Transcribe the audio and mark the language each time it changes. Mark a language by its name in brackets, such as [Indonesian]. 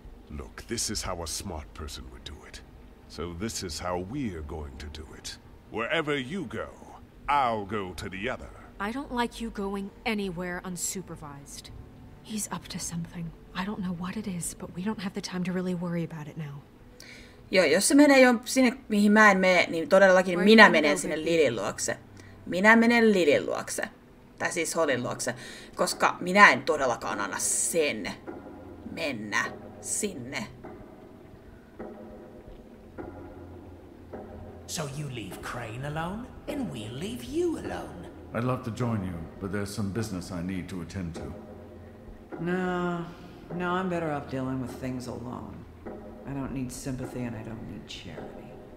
[English] Look, this is how a smart person would do it. So this is how we're going to do it. Wherever you go, I'll go to the other. I don't like you going anywhere unsupervised. He's up to something. I don't know what it is, but we don't have the time to really worry about it now. [Finnish] Joo, jos se menee jo sinne, mihin mä en mene, niin todellakin minä menen sinne Lilin luokse. Minä menen Lilin luokse. Tai siis Holin luokse. Koska minä en todellakaan anna sen mennä sinne. [English] So you leave Crane alone, and we'll leave you alone. I'd love to join you, but there's some business I need to attend to. No, I'm better off dealing with things alone. I don't need sympathy and I don't need charity.